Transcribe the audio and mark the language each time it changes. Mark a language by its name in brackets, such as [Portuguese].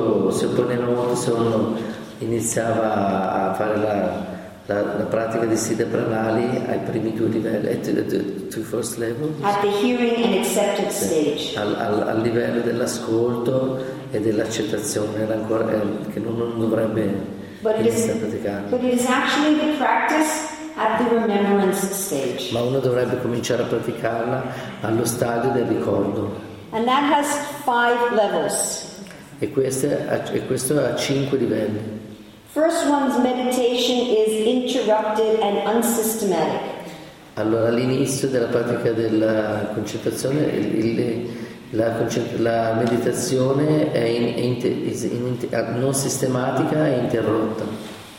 [Italian] Si opponeva molto se uno iniziava a fare la pratica di Siddha Pranali ai primi due livelli, [English] two first levels. At the hearing and acceptance stage. [Italian] Al livello dell'ascolto e dell'accettazione, che non dovrebbe iniziare a praticare. [English] But it is actually the practice at the remembrance stage. [Italian] Ma uno dovrebbe cominciare a praticarla allo stadio del ricordo. [English] And that has five levels. [Italian] E questo ha cinque livelli. [English] First one's meditation is interrupted and unsystematic. [Italian] Allora all'inizio della pratica della concentrazione la meditazione è non sistematica e interrotta.